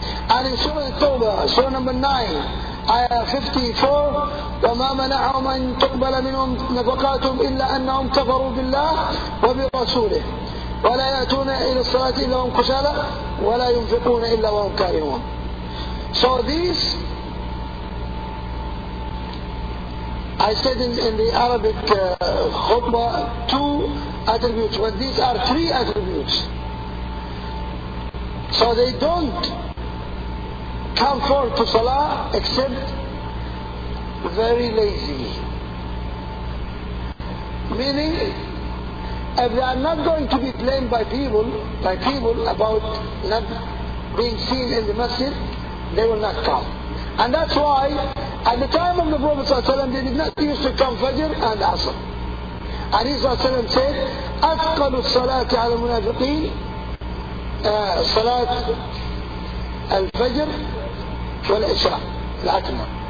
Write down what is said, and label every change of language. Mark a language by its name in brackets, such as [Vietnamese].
[English] And in Surah At-Tawbah, Surah number 9, Ayah 54, [Arabic] وَمَا مَنَعَهُمْ أَن تُقْبَلَ مِنْهُمْ نَفَقَاتُهُمْ إِلَّا أَنَّهُمْ كَفَرُوا بِاللَّهِ وَبِرَسُولِهِ ولا يأتون إلى الصلاة إلا وهم كسالى ولا ينفقون إلا وهم كارهون. [English] So this I said in the Arabic khutbah two attributes, but these are three attributes. So they don't come forth to salah except very lazy. Meaning, if they are not going to be blamed by people about not being seen in the masjid, they will not come. And that's why at the time of the Prophet ﷺ, they did not used to come Fajr and Asr. And he ﷺ said, [Arabic] أَثْقَلُ الصَّلَاةِ عَلَى الْمُنَافِقِينَ صَلَاةِ الْفَجْرِ وَالْإِشْرَى الْأَكْمَى.